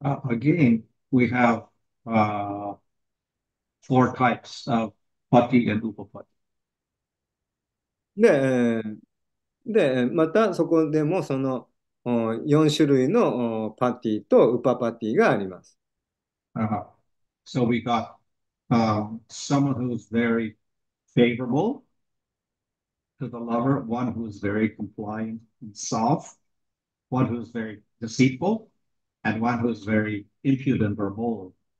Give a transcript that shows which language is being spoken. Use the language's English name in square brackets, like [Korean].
[English] Again, we have four types of pati and upapati. [Japanese] で、またそこでもその4種類のパティとウパパティがあります。 [English] So we got someone who's very favorable to the lover, one who's very compliant and soft, one who's very deceitful, and one who's very impudent or bold.